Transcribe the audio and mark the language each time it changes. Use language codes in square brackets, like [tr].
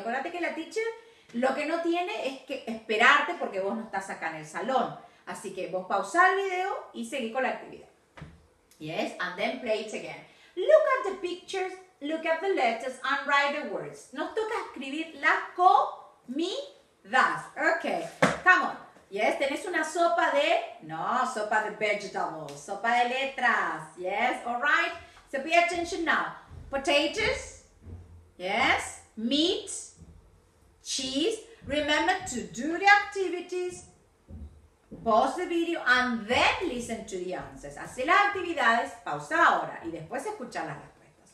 [es] Acuérdate que la teacher lo que no tiene es que esperarte porque vos no estás acá en el salón. Así que vos pausa el video y seguí con la actividad. [en] Yes, and then play it again. Look at the pictures, look at the letters, and write the words. [es] Nos toca escribir las comidas. [en] Okay, come on. Yes, [es] tenés una sopa de... No, sopa de vegetables. Sopa de letras. [en] Yes, all right. So pay attention now. Potatoes. Yes. Meat. Cheese. Remember to do the activities. Pause the video and then listen to the answers. [es] Hacé las actividades, pausa ahora y después escucha las respuestas.